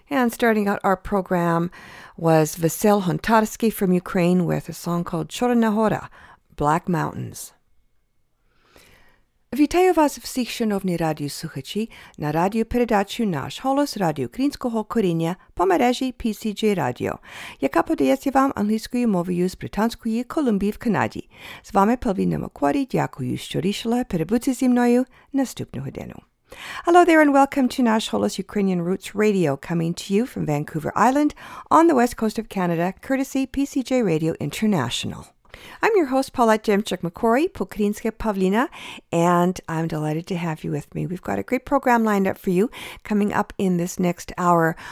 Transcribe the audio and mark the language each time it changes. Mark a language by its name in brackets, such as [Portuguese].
[English] Starting out our program was Vasil Hontarsky from Ukraine with a song called Chorna Hora, Black Mountains. [Ukrainian] Вітаю вас всіх, шановні радіослухачі, на радіопередачі «Наш голос» Радіо Українського коріння по мережі PCJ Radio, яка подається вам англійською мовою з Британської Колумбії в Канаді. З вами Павліна Макварі, дякую, що рішила перебути зі мною наступну годину. [English] Hello there and welcome to Nash Holos Ukrainian Roots Radio, coming to you from Vancouver Island on the west coast of Canada, courtesy PCJ Radio International. I'm your host, Paulette Demchuk-McCory, Pokrinska Pavlina, and I'm delighted to have you with me. We've got a great program lined up for you coming up in this next hour.